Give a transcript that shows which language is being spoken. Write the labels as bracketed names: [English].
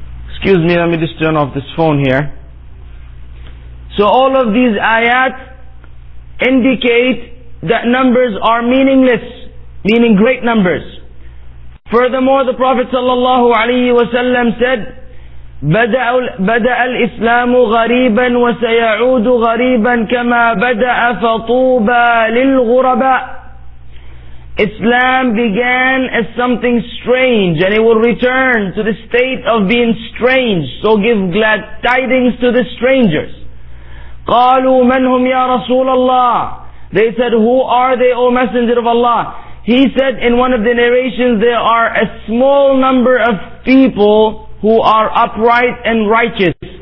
[English] Excuse me, let me just turn off this phone here. So all of these ayat indicate that numbers are meaningless. meaning great numbers. Furthermore, the Prophet sallallahu alaihi wasallam said, [Arabic] بَدَأَ الْإِسْلَامُ غَرِيبًا وَسَيَعُودُ غَرِيبًا كَمَا بَدَأَ فَطُوبًا لِلْغُرَبًا. [English] Islam began as something strange, and it will return to the state of being strange. So give glad tidings to the strangers. [Arabic] قَالُوا مَنْ هُمْ يَا رَسُولَ اللَّهِ. [English] They said, who are they, O Messenger of Allah? He said in one of the narrations, there are a small number of people who are upright and righteous.